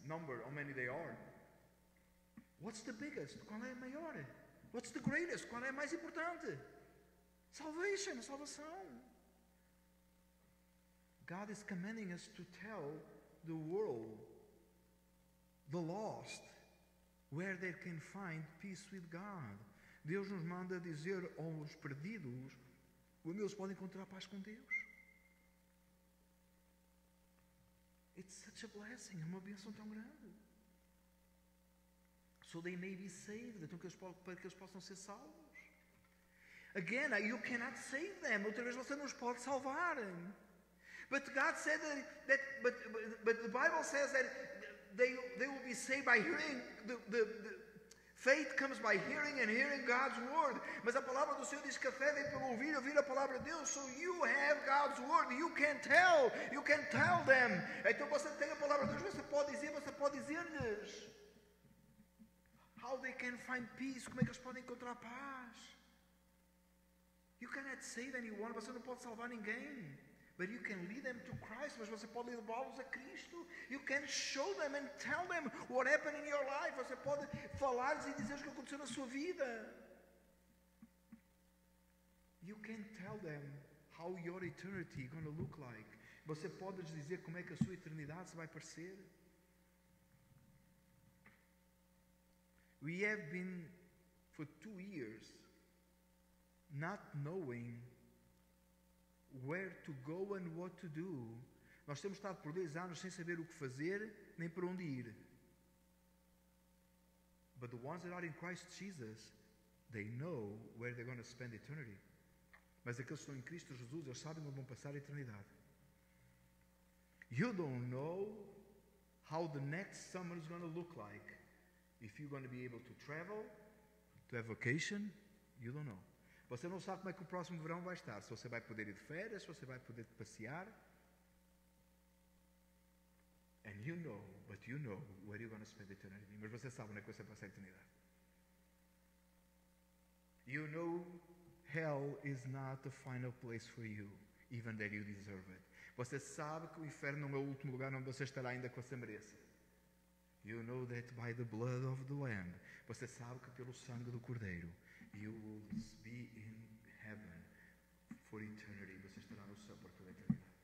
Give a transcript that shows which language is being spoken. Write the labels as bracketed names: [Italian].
[English] Number how many they are. What's the biggest? [Portuguese] Qual é a maior? [English] What's the greatest? [Portuguese] Qual é a mais importante? Salvation, salvação. [English] God is commanding us to tell the world, the lost, where they can find peace with God. [Portuguese] Deus nos manda dizer aos perdidos onde eles podem encontrar paz com Deus. [English] It's such a blessing, [Portuguese] é uma bênção tão grande. [English] So they may be saved, [Portuguese] para que eles possam ser salvos. [English] Again, you cannot save them. [Portuguese] Outra vez você não os pode salvar. [English] But God said that the Bible says that they will be saved by hearing. The faith comes by hearing and hearing God's word. [Portuguese] Mas a palavra do Senhor diz que a fé vem pelo ouvir a palavra de Deus. [English] So you have God's word. You can tell them. [Portuguese] Então você tem a palavra de Deus. Você pode dizer-lhes [English] how they can find peace. [Portuguese] Como é que eles podem encontrar paz? [English] You cannot save anyone, [Portuguese] você não pode salvar ninguém. [English] But you can lead them to Christ, [Portuguese] mas você pode levá-los a Cristo. [English] You can show them and tell them what happened in your life. [Portuguese] Você pode falar-lhes e dizer o que aconteceu na sua vida. [English] You can tell them how your eternity is going to look like. [Portuguese] Você pode lhes dizer como é que a sua eternidade vai parecer. [English] We have been for 2 years not knowing where to go and what to do. [Portuguese] Nós temos estado por 2 anos sem saber o que fazer nem para onde ir. [English] But the ones that are in Christ Jesus, they know where they're going to spend eternity. [Portuguese] Mas aqueles que estão em Cristo Jesus, eles sabem onde vão passar a eternidade. [English] You don't know how the next summer is going to look like. If you're going to be able to travel, to have vacation, you don't know. [Portuguese] Você não sabe como é que o próximo verão vai estar. Se você vai poder ir de férias, se você vai poder passear. [English] And you know, But you know where you're going to spend eternity. [Portuguese] Mas você sabe onde é que você passa a eternidade. [English] You know hell is not the final place for you, even that you deserve it. [Portuguese] Você sabe que o inferno não é o último lugar onde você estará ainda que você mereça. [English] You know that by the blood of the Lamb, [Portuguese] você sabe que pelo sangue do Cordeiro, [English] you will be in heaven for eternity. [Portuguese] Você estará no céu por toda a eternidade.